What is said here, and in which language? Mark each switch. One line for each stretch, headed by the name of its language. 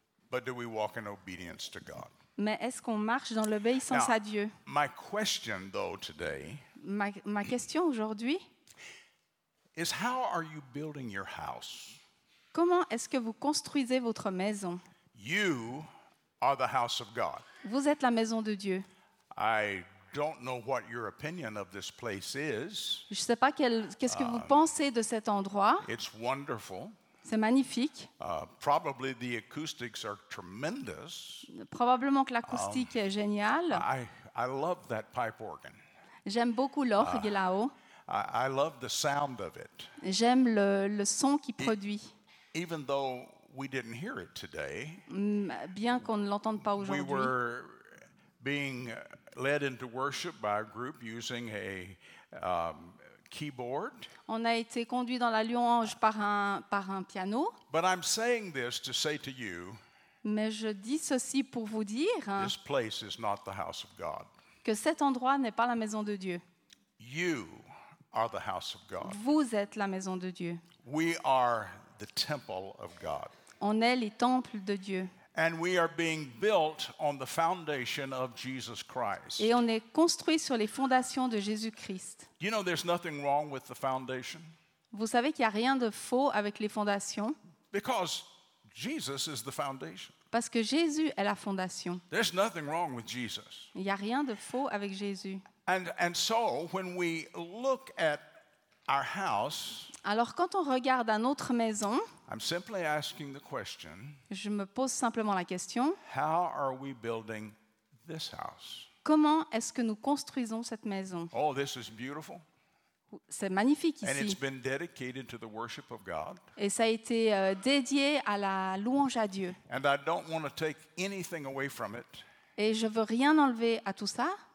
English: But do we walk in obedience to God?
French: Mais est-ce qu'on marche dans l'obéissance
English: now,
French: à Dieu?
English: My question though today,
French: ma question aujourd'hui
English: is how are you building your house?
French: Comment est-ce que vous construisez votre maison?
English: You are the house of God.
French: Vous êtes la maison de Dieu.
English: I don't know what your opinion of this place is.
French: Je sais pas qu'est-ce que vous pensez de cet endroit.
English: It's wonderful.
French: C'est magnifique.
English: Probably the acoustics are tremendous.
French: Probablement que l'acoustique est géniale.
English: I love that pipe organ.
French: J'aime beaucoup l'orgue là-haut.
English: I love the sound of it.
French: J'aime le son qu'il produit.
English: Even though we didn't hear it today.
French: Bien qu'on ne l'entende pas aujourd'hui.
English: We were being led into worship by a group using a keyboard.
French: On a été conduit dans la louange par un piano.
English: But I'm saying this to say to you.
French: Mais je dis ceci pour vous dire.
English: This place is not the house of God.
French: Que cet endroit n'est pas la maison de Dieu.
English: You are the house of God.
French: Vous êtes la maison de Dieu.
English: We are the temple of God.
French: On est les temples de Dieu.
English: And we are being built on the foundation of Jesus Christ.
French: Et on est construit sur les fondations de Jésus-Christ.
English: You know, there's nothing wrong with the foundation.
French: Vous savez qu'il y a rien de faux avec les fondations.
English: Because Jesus is the foundation.
French: Parce que Jésus est la fondation.
English: There's nothing wrong with Jesus.
French: Il y a rien de faux avec Jésus.
English: And so when we look at our house,
French: alors quand on regarde à notre maison,
English: I'm simply asking the question,
French: je me pose simplement la question,
English: how are we building this house?
French: Comment est-ce que nous construisons cette maison?
English: Oh, this is beautiful.
French: C'est magnifique ici.
English: And it's been dedicated to the worship of God.
French: Et ça a été dédié à la louange à Dieu.
English: And I don't want to take anything away from it.
French: Et je veux rien enlever à tout ça.